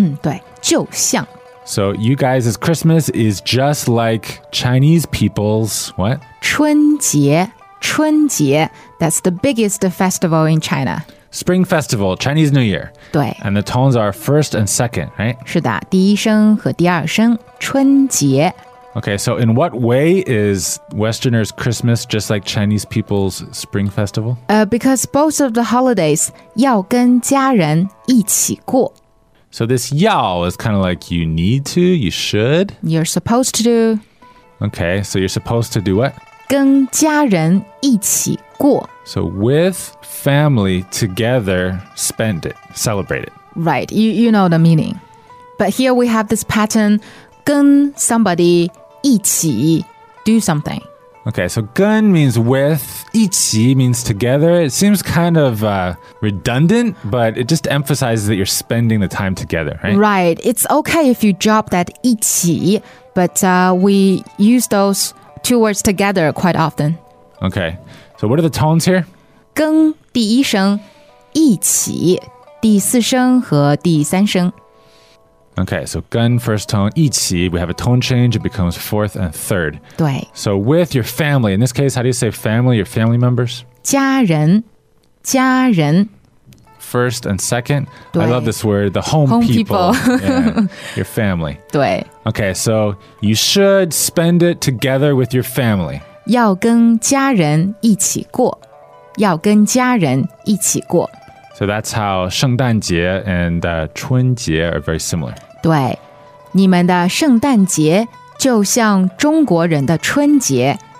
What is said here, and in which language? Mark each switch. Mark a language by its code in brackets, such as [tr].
[zh] 对，就像。 [en] So you guys' Christmas is just like Chinese people's, what? 春节。春节, that's the biggest festival in China. Spring Festival, Chinese New Year. [zh] 对。 [en] And the tones are first and second, right? [zh] 是的,第一声和第二声,春节。 [en] Okay, so in what way is Westerners' Christmas just like Chinese people's Spring Festival? Because both of the holidays, [zh] 要跟家人一起过。 [en] So this 要 is kind of like you need to, you should. You're supposed to do. Okay, so you're supposed to do what? [zh] 跟家人一起过。 [en] So with family together, spend it, celebrate it. Right, you know the meaning. But here we have this pattern, 跟 somebody 一起 do something. Okay, so 跟 means with, 一起 means together. It seems kind of redundant, but it just emphasizes that you're spending the time together, right? Right, it's okay if you drop that 一起, but we use those... Two words together quite often. Okay. So what are the tones here? [zh] 跟第一声,一起,第四声和第三声。 [en] Okay, so 跟 first tone, 一起, we have a tone change, it becomes fourth and third. [zh] 对。 [en] So with your family, in this case, how do you say family, your family members? [zh] 家人,家人。 [en] First and second. I love this word, the home people. Yeah, your family. [zh] 对。 [en] Okay, so you should spend it together with your family. [zh] 要跟家人一起过。要跟家人一起过。 [en] So that's how 圣诞节 and 春节are very similar. [zh] 对。你们的圣诞节就像中国人的春节。